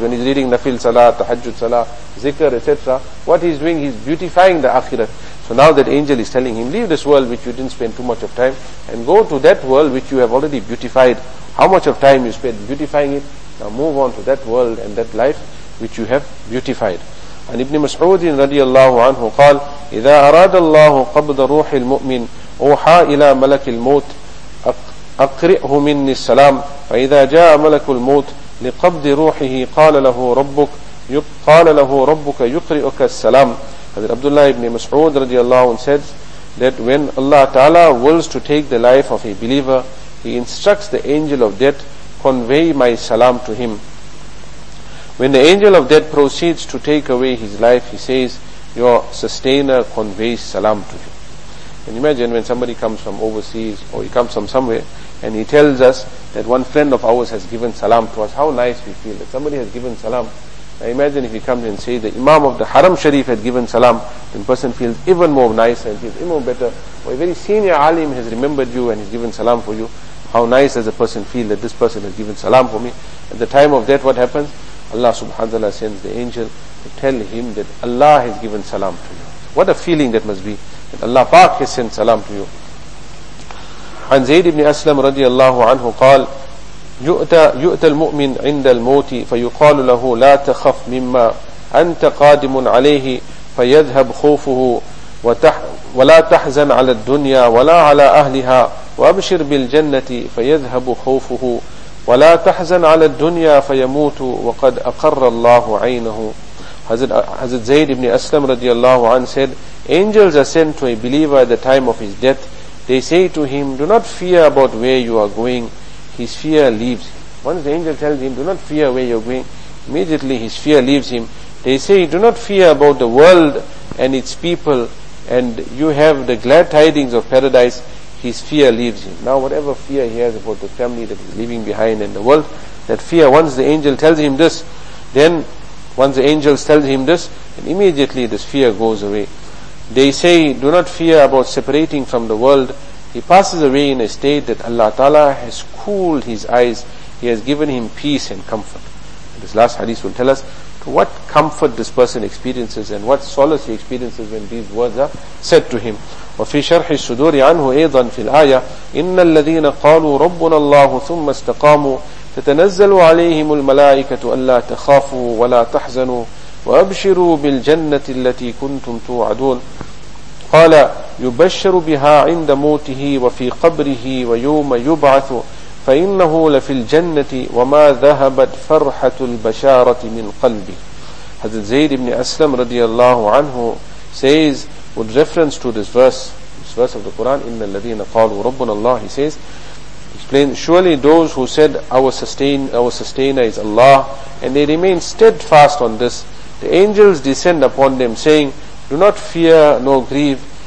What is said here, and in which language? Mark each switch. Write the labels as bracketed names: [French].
[English] When he's reading Nafil Salah, Tahajjud Salah, Zikr, etc., what he's doing, he's beautifying the akhirat. So now that angel is telling him, leave this world which you didn't spend too much of time and go to that world which you have already beautified. How much of time you spent beautifying it? Now move on to that world and that life which you have beautified. And Ibn Mas'ud radiyallahu anhu qal, [Arabic] إِذَا أَرَادَ اللَّهُ قَبْضَ رُوحِ الْمُؤْمِنِ أُوحَى إِلَى مَلَكِ الْمُوتِ أَقْرِئْهُ مِنِّي السَّلَامِ فَإِذَا جَاءَ مَلَكُ الْمُوتِ لِقَبْضِ رُوحِهِ قَالَ لَهُ رَبُّكَ يُقْرِئُكَ السَّلَامِ. [English] Hazrat Abdullah ibn Mas'ud radiyallahu anhu said that when Allah Ta'ala wills to take the life of a believer, he instructs the angel of death, convey my salam to him. When the angel of death proceeds to take away his life, he says, your sustainer conveys salam to you. And imagine when somebody comes from overseas or he comes from somewhere and he tells us that one friend of ours has given salam to us, how nice we feel that somebody has given salam. Now imagine if he comes and says the Imam of the Haram Sharif had given salam, then person feels even more nice and feels even more better. Or a very senior alim has remembered you and he's given salam for you. How nice does a person feel that this person has given salam for me? At the time of death, what happens? Allah subhanahu wa ta'ala sends the angel to tell him that Allah has given salam to you. What a feeling that must be, that Allah Pak has sent salam to you. And Zayd ibn Aslam radiallahu anhu qal, [Arabic] يؤتى المؤمن عند الموت فيقال له لا تخف مما أنت قادم عليه فيذهب خوفه ولا تحزن على الدنيا ولا على أهلها وأبشر بالجنة فيذهب خوفه ولا تحزن على الدنيا فيموت وقد أقر الله عينه. [English] Hazrat Zayd ibn Aslam radiallahu anhu said, angels are sent to a believer at the time of his death. They say to him, do not fear about where you are going. His fear leaves him. Once the angel tells him, do not fear where you are going, immediately his fear leaves him. They say, do not fear about the world and its people, and you have the glad tidings of paradise. His fear leaves him. Now whatever fear he has about the family that he's leaving behind and the world, that fear, once the angel tells him this, then once the angels tell him this, and immediately this fear goes away. They say, do not fear about separating from the world. He passes away in a state that Allah Ta'ala has cooled his eyes. He has given him peace and comfort. This last hadith will tell us to what comfort this person experiences and what solace he experiences when these words are said to him. [Arabic] وَفِي شَرْحِ الصُّدُورِ عَنْهُ أَيْضًا فِي الْآيَةِ إِنَّ الَّذِينَ قَالُوا رَبُّنَا اللَّهُ ثُمَّ اسْتَقَامُوا تَتَنَزَّلُ عَلَيْهِمُ الْمَلَائِكَةُ أَلَّا تَخَافُوا وَلَا تَحْزَنُوا وَأَبْشِرُوا بِالْجَنَّةِ الَّتِي كُنْتُمْ تُوعَدُونَ قال يبشر بها عند موته وفي قبره ويوم يبعث فإنه لفي الجنة وما ذهبت فرحة البشارة من قلبه. [English] Hazrat Zayd ibn Aslam radiallahu anhu says, with reference to this verse of the Quran, [Arabic] إن الذين قالوا ربنا الله, [English] he says, explain, surely those who said our sustainer is Allah, and they remain steadfast on this, the angels descend upon them saying, do not fear nor grieve.